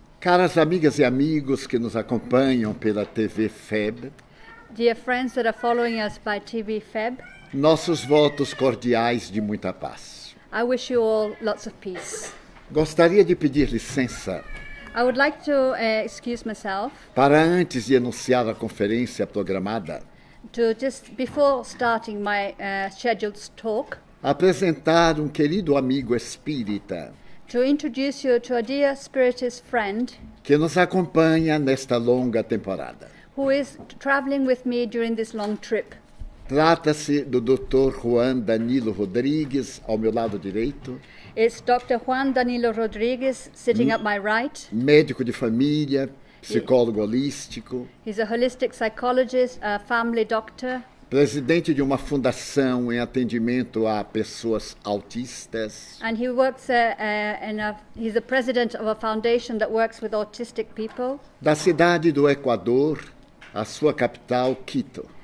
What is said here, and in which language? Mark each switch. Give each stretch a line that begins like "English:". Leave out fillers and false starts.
Portuguese: caras amigas e amigos que nos acompanham pela TV FEB,
English: dear friends that are following us by TV FEB,
Portuguese: nossos votos cordiais de muita paz.
English: I wish you all lots of peace.
Portuguese: Gostaria de pedir licença.
English: I would like to excuse myself.
Portuguese: Para antes de anunciar a conferência programada.
English: To just before starting my scheduled talk.
Portuguese: Apresentar um querido amigo espírita.
English: To introduce you to a dear spiritist friend.
Portuguese: Que nos acompanha nesta longa temporada.
English: Who is traveling with me during this long trip.
Portuguese: Trata-se do Dr. Juan Danilo Rodrigues, ao meu lado direito.
English: It's Dr. Juan Danilo Rodrigues, sitting at my right.
Portuguese: Médico de família, psicólogo holístico.
English: He's a holistic psychologist, a family doctor.
Portuguese: Presidente de uma fundação em atendimento a pessoas autistas.
English: And he works he's the president of a foundation that works with autistic people.
Portuguese: Da cidade do Equador, a sua capital, Quito.